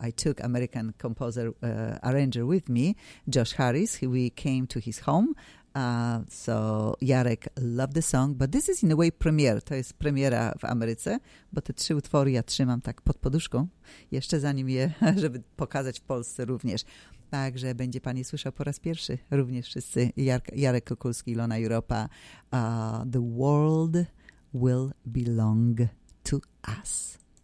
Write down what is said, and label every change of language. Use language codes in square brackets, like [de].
[en] I took American composer arranger with me, Josh Harris. We came to his home, so Jarek loved the song, but this is in a way premiere. [pl] To jest premiera w Ameryce, bo te 3 utwory ja trzymam tak pod poduszką jeszcze zanim je, żeby pokazać w Polsce również. Także będzie pani słyszał po raz pierwszy również wszyscy. Jarek Kukulski, Ilona Europa. [en] The world will belong to us.